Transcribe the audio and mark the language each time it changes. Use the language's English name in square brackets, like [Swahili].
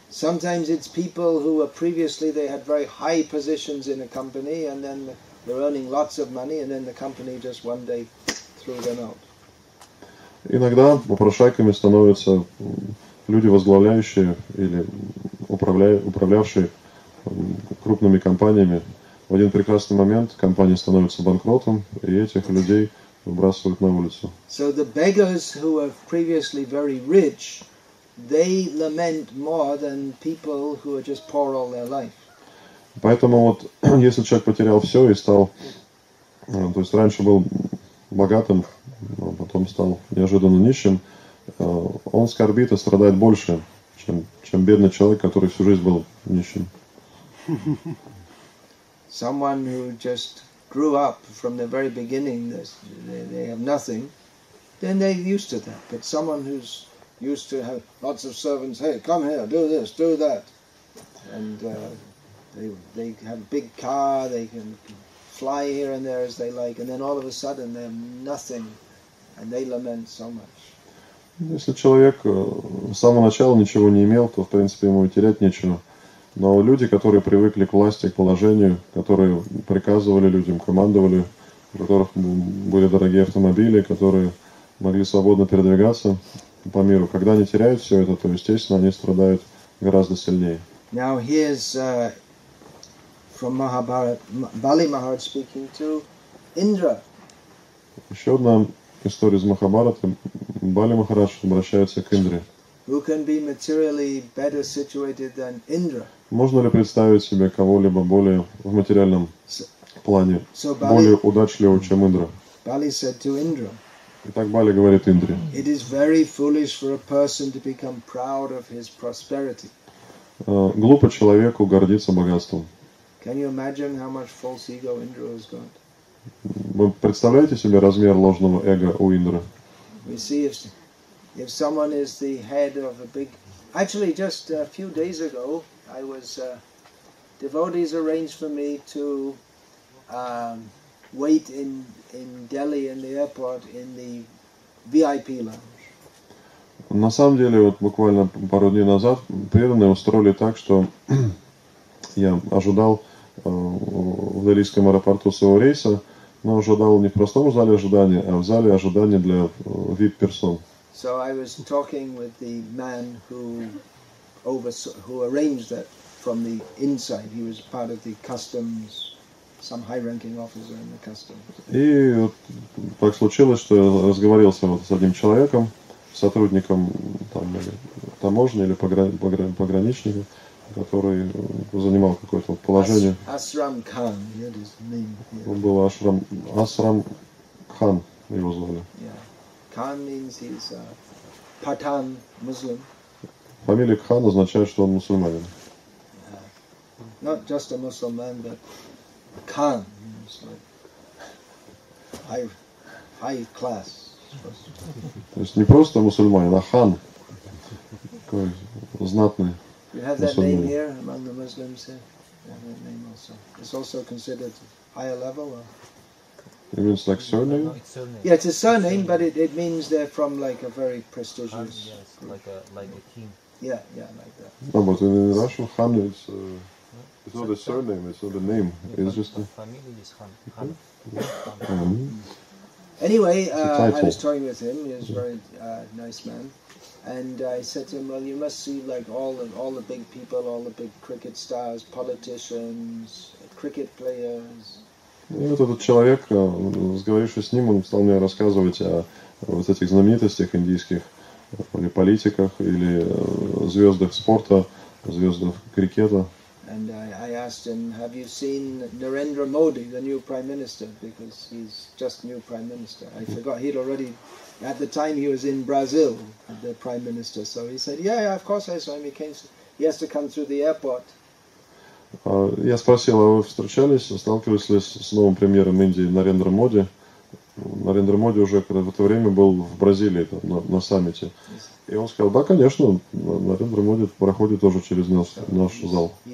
[English] Sometimes it's people who were previously, they had very high positions in a company, and then they're earning lots of money, and then the company just one day threw them out. [Russian] Иногда попрошайками становятся люди, возглавляющие или управлявшие крупными компаниями. В один прекрасный момент компания становится банкротом, и этих людей выбрасывают на улицу. [English] So the beggars who were previously very rich, they lament more than people who are just poor all their life. [Russian] Поэтому вот, если человек потерял все и стал, то есть раньше был богатым, но потом стал неожиданно нищим, он скорбит и страдает больше, чем бедный человек, который всю жизнь был нищим. [English] Someone who just grew up from the very beginning, they have nothing, then they're used to that. But someone who's used to have lots of servants, hey, come here, do this, do that, and they have a big car, they can fly here and there as they like, and then all of a sudden they have nothing, and they lament so much. [Russian] Если человек с самого начала ничего не имел, то в принципе ему и терять нечего. Но люди, которые привыкли к власти, к положению, которые приказывали людям, командовали, у которых были дорогие автомобили, которые могли свободно передвигаться по миру, когда они теряют все это, то, естественно, они страдают гораздо сильнее. [English] Now here's from Mahabharata, Bali Maharaj speaking to Indra. [Russian] Еще одна история из Махабхараты. Бали Махарадж обращается к Индре. [English] Who can be materially better situated than Indra? [Russian] Можно ли представить себе кого-либо более в материальном плане, [English] so Bali, [Russian] более удачливого, чем Индра? [English] Bali said to Indra. [Russian] Итак, Бали говорит Индре. [English] It is very foolish for a person to become proud of his prosperity. [Russian] Глупо человеку гордиться богатством. [English] Can you imagine how much false ego Indra has got? [Russian] Вы представляете себе размер ложного эго у Индры? [English] We see if someone is the head of a big... Actually, just a few days ago, I was... devotees arranged for me to wait in Delhi in the airport in the VIP lounge. [Russian] На самом деле, вот буквально пару дней назад преданные устроили так, что я ожидал в Дельхийском аэропорту своего рейса, но ожидал не в простом зале ожидания, а в зале ожидания для VIP-персон. [English] So I was talking with the man who arranged that from the inside. He was part of the customs, some high-ranking officer in the customs. [Russian] И вот так случилось, что я разговаривался вот с одним человеком, сотрудником там, или таможни или пограничника, который занимал какое-то положение. [English] Ашрам Кхан, yeah, his name. Yeah. [Russian] Он был Ашрам Кхан, его звали. [English] Khan means he's a Pathan Muslim. [Russian] Фамилия Khan означает, что он мусульманин. [English] not just a Muslim man, but Khan, it's like high class. [Russian] То есть не просто мусульманин, а хан. Такой знатный. [English] You have that name here among the Muslims here. You have that name also. It's also considered higher level or? It means like surname? Yeah, it's a surname, but it means they're from like a very prestigious Khan, yes, like a king. Yeah, like that. No, but in Russian, Khan is it's not a surname, it's not a name. Yeah, it's just the family is Khan. Khan. Mm-hmm. Anyway, I was talking with him. He was a very nice man, and I said to him, "Well, you must see like all the big people, all the big cricket stars, politicians, cricket players." [Russian] И вот этот человек, разговаривший с ним, он стал мне рассказывать о вот этих знаменитостях индийских, или политиках, или звездах спорта, звездах крикета. [English] And I asked him, have you seen Narendra Modi, the new prime minister? Because he's just new prime minister. I forgot he'd already, at the time he was in Brazil, the prime minister. So he said, yeah, of course I saw him. He has to come through the airport. [Russian] Я спросил, а вы встречались, сталкивались ли с новым премьером Индии Нарендра Моди? Нарендра Моди уже в это время был в Бразилии там, на саммите. И он сказал, да, конечно, Нарендра Моди проходит тоже через нас, наш зал.